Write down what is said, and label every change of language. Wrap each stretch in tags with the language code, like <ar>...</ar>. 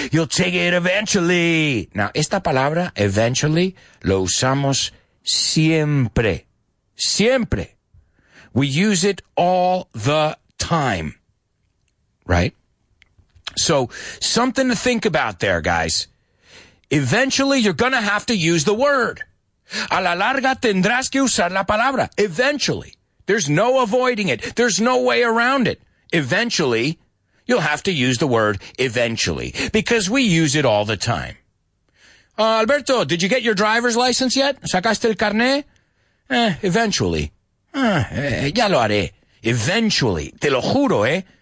<en>You'll take it eventually. Now,</en> <es>esta palabra,</es> <en>eventually,</en> <es>lo usamos siempre. Siempre.</es> <en>We use it all the time, right? So something to think about there, guys. Eventually, you're going to have to use the word.</en> <es>A la larga, tendrás que usar la palabra.</es> <en>Eventually. There's no avoiding it. There's no way around it. Eventually, you'll have to use the word eventually because we use it all the time. Alberto, did you get your driver's license yet?</en> <es>¿Sacaste el carnet? Eventually. Ya lo haré. Eventually. Te lo juro, eh.</es>